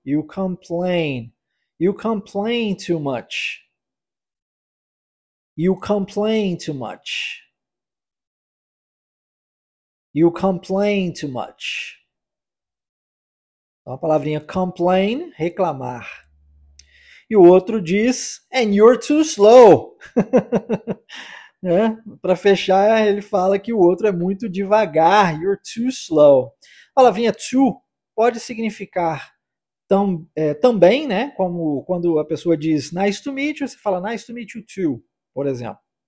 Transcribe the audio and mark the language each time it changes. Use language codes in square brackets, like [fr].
[en] You complain. You complain too much. You complain too much. You complain too much. [pt] Então, a palavrinha complain, reclamar. E o outro diz, [en] and you're too slow. [pt] Né? Para fechar, ele fala que o outro é muito devagar. [en] You're too slow. [pt] A palavrinha too pode significar também, né? Como quando a pessoa diz [en] nice to meet you, [pt] você fala [en] nice to meet you too, [pt] por exemplo.